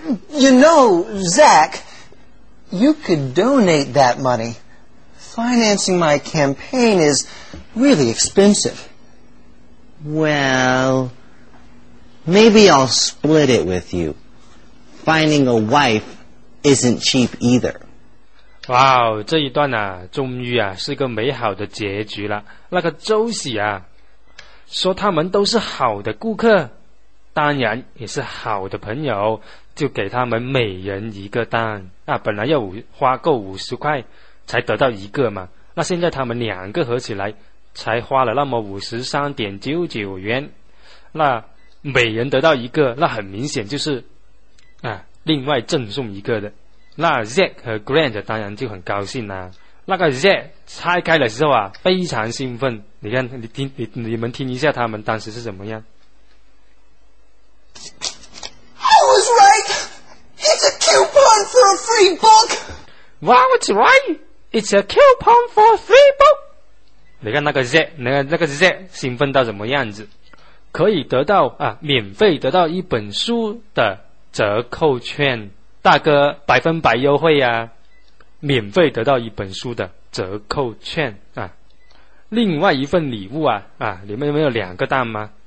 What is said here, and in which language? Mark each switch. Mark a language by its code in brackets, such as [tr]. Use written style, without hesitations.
[en] You know, Zach, you could donate that money. Financing my campaign is really expensive. Well, maybe I'll split it with you. Finding a wife isn't cheap either. [zh] 哇，这一段啊，终于啊，是个美好的结局了。那个周喜啊，说他们都是好的顾客，当然也是好的朋友，就给他们每人一个蛋。那本来要花够50块才得到一个嘛，那现在他们两个合起来才花了那么53.99元，那每人得到一个，那很明显就是啊，另外赠送一个的。那 Zack 和 Grant 当然就很高兴啦。那个 Zack 拆开的时候啊，非常兴奋。你看，你们听一下他们当时是怎么样。 [en] I was right. It's a coupon for a free book. Wow, it's right. It's a coupon for a free book. [zh] 你看那个 Zack， 那个 Zack 兴奋到什么样子？可以得到啊，免费得到一本书的折扣券。大哥，100%优惠啊，免费得到一本书的折扣券啊，另外一份礼物啊啊，里面有没有两个蛋吗？